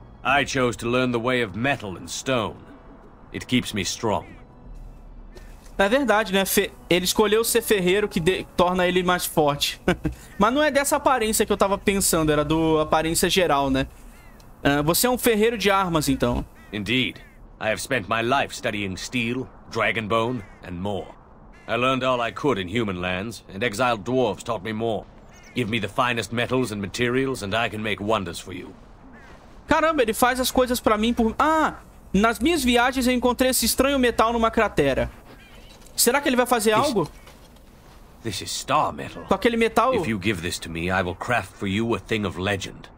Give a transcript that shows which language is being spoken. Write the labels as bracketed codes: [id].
[en] I chose to learn the way of metal and stone. It keeps me strong. [pt] É verdade, né? Ele escolheu ser ferreiro, que torna ele mais forte. Mas não é dessa aparência que eu tava pensando, era do aparência geral, né? Você é um ferreiro de armas, então. [en] Indeed. I have spent my life studying steel, dragon bone, and more. I learned all I could in human lands, and exiled dwarves taught me more. Give me the finest metals and materials, and I can make wonders for you. [pt] Caramba, ele faz as coisas pra mim por... ah! Nas minhas viagens eu encontrei esse estranho metal numa cratera. Será que ele vai fazer algo? [en] This is star metal. [pt] Com aquele metal... [en] if you give this to me, I will craft for you a thing of legend.